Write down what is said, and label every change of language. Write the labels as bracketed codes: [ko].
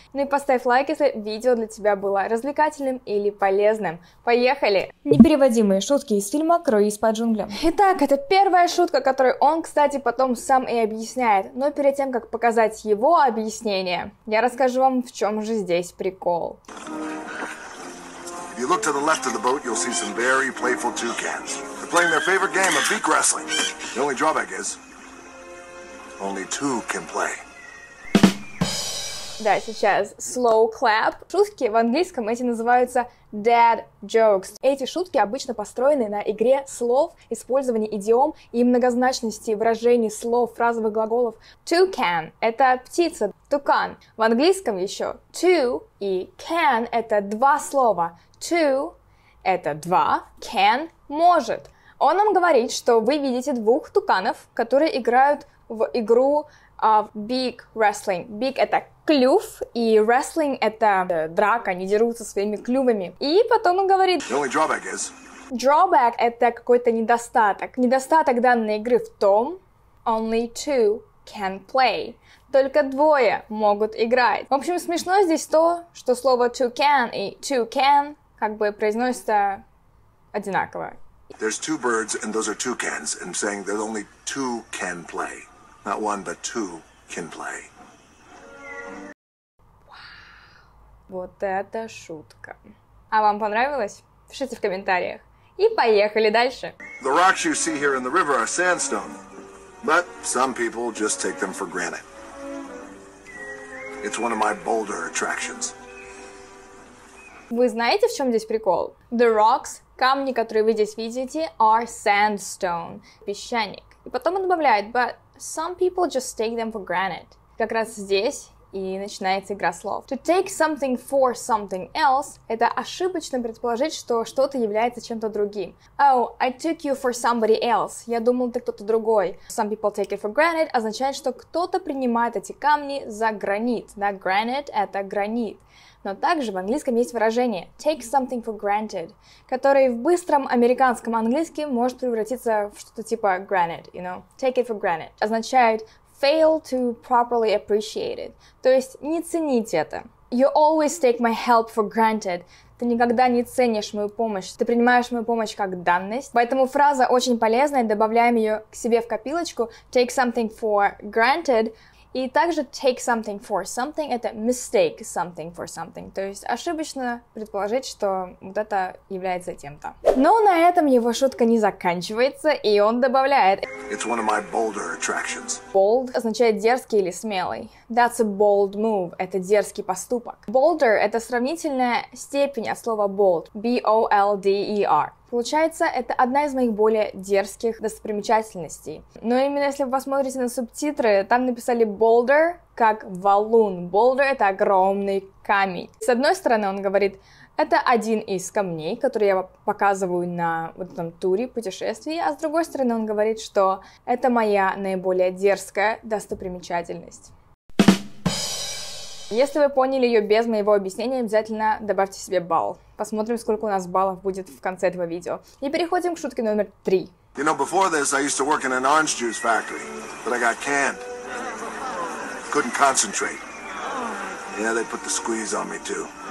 [ru] Ну и поставь лайк, если видео для тебя было развлекательным или полезным. Поехали! Непереводимые шутки из фильма «Круиз по джунглям». Итак, это первая шутка, которую он, кстати, потом сам и объясняет. Но перед тем, как показать его объяснение, я расскажу вам, в чем же здесь прикол. [en] If you look to the left of the boat, you'll see some very playful toucans. They're playing their favorite game of beak wrestling. The only drawback is, only two can play. [ru] Да, сейчас slow clap. Шутки в английском эти называются dad jokes. Эти шутки обычно построены на игре слов, использовании идиом и многозначности выражений слов, фразовых глаголов. Toucan – это птица, тукан. В английском еще to и can – это два слова. To – это два, can – может. Он нам говорит, что вы видите двух туканов, которые играют в игру в beak wrestling. Beak – это клюв, и wrestling – это драка, они дерутся своими клювами. И потом он говорит… [en] The only drawback is… [ru] Drawback – это какой-то недостаток. Недостаток данной игры в том… [en] Only two can play. [ru] Только двое могут играть. В общем, смешно здесь то, что слово toucan и toucan как бы произносится одинаково. [en] There's two birds, and those are toucans, and saying that only two can play. Not one, but two can play. [ru] Вот это шутка. А вам понравилось? Пишите в комментариях. И поехали дальше. [en] The rocks you see here in the river are sandstone, but some people just take them for granted. It's one of my boulder attractions. [ru] Вы знаете, в чем здесь прикол? [en] The rocks, [ru] камни, которые вы здесь видите, [en] are sandstone, [ru] песчаник. И потом он добавляет, [en] but some people just take them for granted. [ru] Как раз здесь и начинается игра слов. [en] To take something for something else [ru] – это ошибочно предположить, что что-то является чем-то другим. [en] Oh, I took you for somebody else. [ru] Я думал, ты кто-то другой. [en] Some people take it for granted [ru] означает, что кто-то принимает эти камни за гранит. Да, granite – это гранит. Но также в английском есть выражение [en] take something for granted, [ru] которое в быстром американском английском может превратиться в что-то типа [en] granted, you know, take it for granted. [ru] Означает [en] fail to properly appreciate it, [ru] то есть не ценить это. [en] You always take my help for granted. [ru] Ты никогда не ценишь мою помощь, ты принимаешь мою помощь как данность. Поэтому фраза очень полезная, добавляем ее к себе в копилочку. [en] Take something for granted. [ru] И также [en] take something for something – [ru] это [en] mistake something for something. [ru] То есть ошибочно предположить, что вот это является тем-то. Но на этом его шутка не заканчивается, и он добавляет… [en] It's one of my bolder attractions. [ru] Bold означает дерзкий или смелый. [en] That's a bold move – [ru] это дерзкий поступок. Bolder – это сравнительная степень от слова bold – B-O-L-D-E-R. Получается, это одна из моих более дерзких достопримечательностей. Но именно если вы посмотрите на субтитры, там написали boulder как валун. Boulder – это огромный камень. С одной стороны, он говорит, это один из камней, который я показываю на вот этом туре, путешествии. А с другой стороны, он говорит, что это моя наиболее дерзкая достопримечательность. Если вы поняли ее без моего объяснения, обязательно добавьте себе балл. Посмотрим, сколько у нас баллов будет в конце этого видео. И переходим к шутке номер 3. [en] You know, before this I used to work in an orange juice factory, but I got canned. Couldn't concentrate. Yeah, they put the squeeze on me too.